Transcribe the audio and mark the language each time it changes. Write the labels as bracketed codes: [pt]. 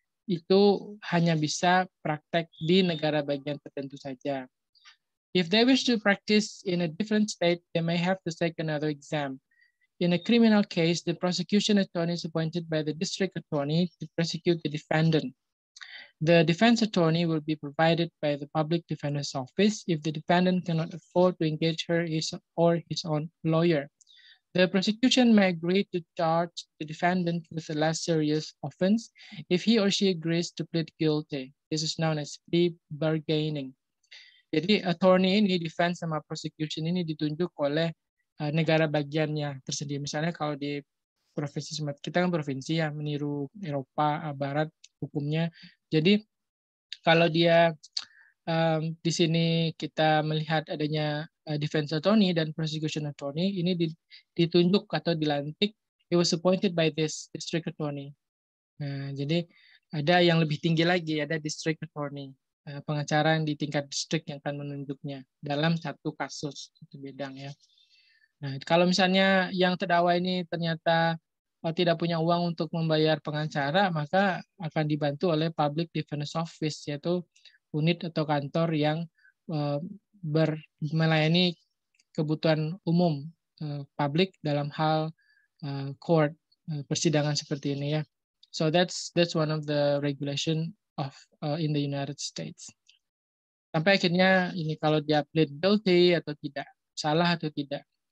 [id] Itu hanya bisa praktek di negara bagian tertentu saja. [en] If they wish to practice in a different state, they may have to take another exam. In a criminal case, the prosecution attorney is appointed by the district attorney to prosecute the defendant. The defense attorney will be provided by the public defender's office if the defendant cannot afford to engage her or his own lawyer. The prosecution may agree to charge the defendant with a less serious offense if he or she agrees to plead guilty. This is known as plea bargaining. [id] Jadi attorney ini, defense sama prosecution ini ditunjuk oleh negara bagiannya tersendiri. Misalnya kalau di provinsi, kita kan provinsi ya, meniru Eropa, Barat, hukumnya. Jadi kalau dia di sini kita melihat adanya defense attorney dan prosecution attorney, ini ditunjuk atau dilantik, [en] it was appointed by this district attorney. [id] Nah, jadi ada yang lebih tinggi lagi, ada district attorney, pengacara yang di tingkat district yang akan menunjuknya dalam satu kasus, satu bidang ya. Nah, kalau misalnya yang terdakwa ini ternyata tidak punya uang untuk membayar pengacara, maka akan dibantu oleh public defense office, yaitu unit atau kantor yang melayani kebutuhan umum publik dalam hal court, persidangan seperti ini ya. [en] So that's one of the regulation of in the United States. [id] Sampai akhirnya ini kalau dia [en] plead guilty [id] atau tidak, salah atau tidak.